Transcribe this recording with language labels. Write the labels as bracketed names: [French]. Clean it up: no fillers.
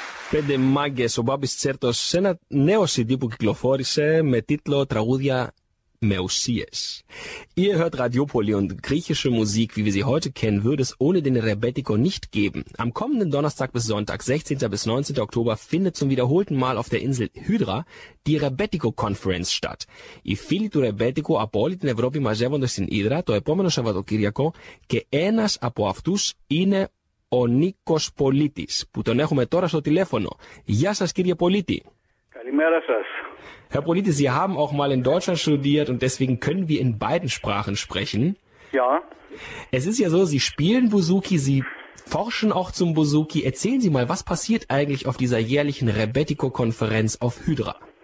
[Greek] Πέντε μάγκες, ο Μπάμπης Τσέρτος, σε ένα νέο CD που κυκλοφόρησε με τίτλο «Τραγούδια με ουσίες». [German] Ihr hört Radiopoli und griechische Musik, wie wir sie heute kennen, würde es ohne den Rebetiko nicht geben. Am kommenden Donnerstag bis Sonntag, 16. bis 19. Oktober, findet zum wiederholten Mal auf der Insel Hydra die Rebetiko-Conference statt. [Greek] Οι φίλοι του Rebetiko από όλη την Ευρώπη μαζεύονται στην Ήδρα το επόμενο Σαββατοκύριακο και ένας από αυτούς είναι ο Νίκος Πολίτης, που τον έχουμε τώρα στο τηλέφωνο. Γεια σας, κύριε Πολίτη. Καλημέρα σας. [German] Herr Politis, Sie haben auch mal in Deutschland studiert und deswegen können wir in beiden Sprachen sprechen. Ja. Es ist ja so, Sie spielen Bouzouki, Sie forschen auch zum Bouzouki. Erzählen Sie mal, was passiert eigentlich auf dieser jährlichen Rebetiko-Konferenz auf Hydra?